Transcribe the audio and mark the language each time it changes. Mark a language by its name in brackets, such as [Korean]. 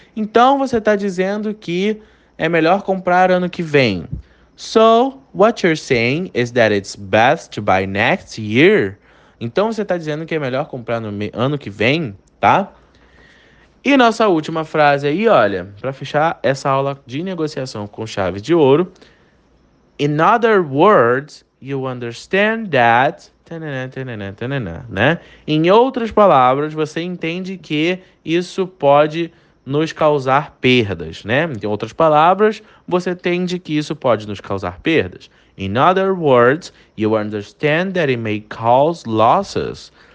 [Portuguese] Então, você tá dizendo que é melhor comprar ano que vem. [English] So, what you're saying is that it's best to buy next year. [Portuguese] Então, você tá dizendo que é melhor comprar no ano que vem, tá? E nossa última frase aí, olha, para fechar essa aula de negociação com chave de ouro. [English] In other words, you understand that. [Portuguese] Tanana, tanana, tanana, né? Em outras palavras, você entende que isso pode nos causar perdas, né? Em outras palavras, você entende que isso pode nos causar perdas. [English] In other words, you understand that it may cause losses.